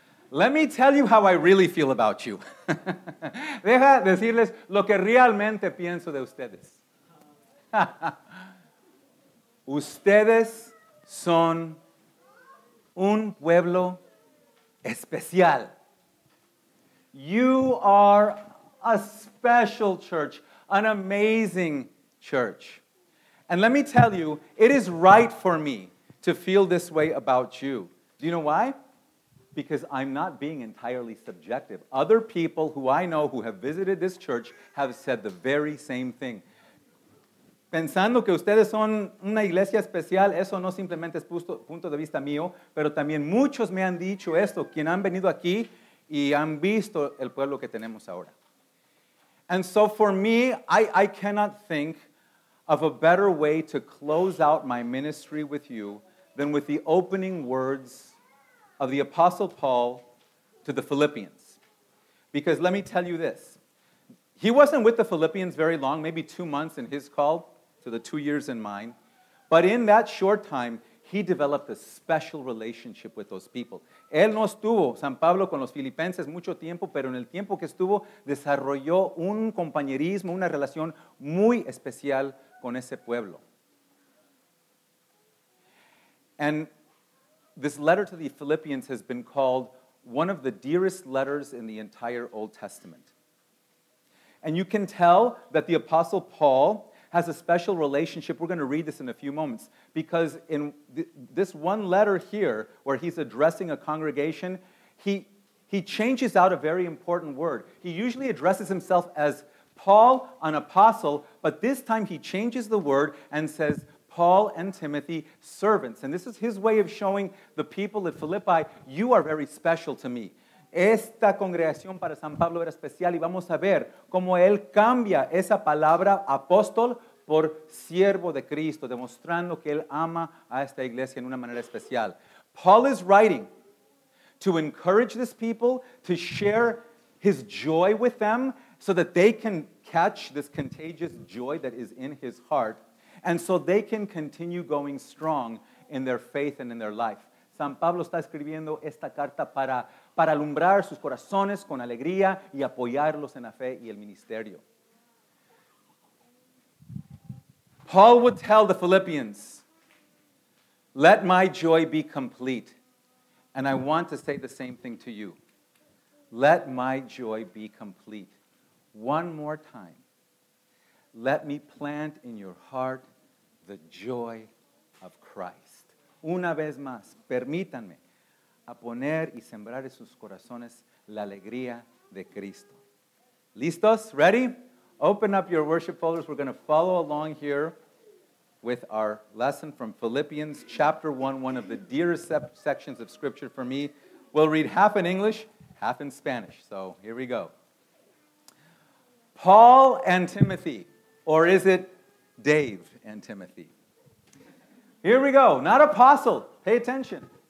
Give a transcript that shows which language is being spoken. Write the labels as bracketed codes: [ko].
[en] Let me tell you how I really feel about you. [es] Deja decirles lo que realmente pienso de ustedes. Ustedes son un pueblo especial. [en] You are a special church, an amazing church. And let me tell you, it is right for me to feel this way about you. Do you know why? Because I'm not being entirely subjective. Other people who I know who have visited this church have said the very same thing. [es] Pensando que ustedes son una iglesia especial, eso no simplemente es punto de vista mío, pero también muchos me han dicho esto, quien han venido aquí y han visto el pueblo que tenemos ahora. [en] And so for me, I cannot think of a better way to close out my ministry with you than with the opening words of the Apostle Paul to the Philippians. Because let me tell you this. He wasn't with the Philippians very long, maybe 2 months in his call to the 2 years in mine. But in that short time, he developed a special relationship with those people. [es] Él no estuvo, San Pablo, con los filipenses mucho tiempo, pero en el tiempo que estuvo, desarrolló un compañerismo, una relación muy especial con ese pueblo. [en] And this letter to the Philippians has been called one of the dearest letters in the entire Old Testament. And you can tell that the Apostle Paul has a special relationship. We're going to read this in a few moments. Because in this one letter here, where he's addressing a congregation, he changes out a very important word. He usually addresses himself as Paul, an apostle, but this time he changes the word and says, Paul and Timothy, servants. And this is his way of showing the people at Philippi, you are very special to me. [es] Esta congregación para San Pablo era especial y vamos a ver cómo él cambia esa palabra apóstol por siervo de Cristo, demostrando que él ama a esta iglesia en una manera especial. [en] Paul is writing to encourage this people, to share his joy with them so that they can catch this contagious joy that is in his heart and so they can continue going strong in their faith and in their life. [es] San Pablo está escribiendo esta carta para alumbrar sus corazones con alegría y apoyarlos en la fe y el ministerio. [en] Paul would tell the Philippians, let my joy be complete. And I want to say the same thing to you. Let my joy be complete. One more time. Let me plant in your heart the joy of Christ. [es] Una vez más, permítanme a poner y sembrar en sus corazones la alegría de Cristo. ¿Listos? [en] Ready? Open up your worship folders. We're going to follow along here with our lesson from Philippians chapter 1, one of the dearest sections of Scripture for me. We'll read half in English, half in Spanish. So here we go. Paul and Timothy, or is it Dave and Timothy? Here we go. Not apostle. Pay attention.